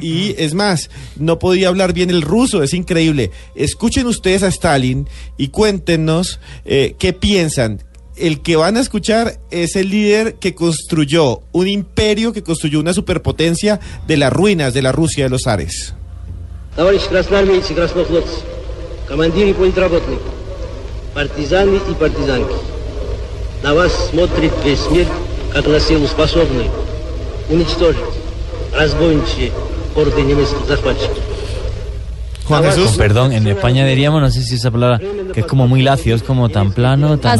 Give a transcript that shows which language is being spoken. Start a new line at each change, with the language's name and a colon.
Spanish: Y es más, no podía hablar bien el ruso, es increíble. Escuchen ustedes a Stalin y cuéntenos qué piensan. El que van a escuchar es el líder que construyó un imperio, que construyó una superpotencia de las ruinas de la Rusia de los zares.
Russian: Товарищи красноармейцы, краснофлотцы, командиры политработные, партизаны и партизанки, на вас смотрит весь мир, как на силу способный уничтожить разбойничьи орды немецких захватчиков.
Spanish: Juan Jesús. Con perdón, en España diríamos, no sé si esa palabra, que es como muy lacio, es como tan plano, tan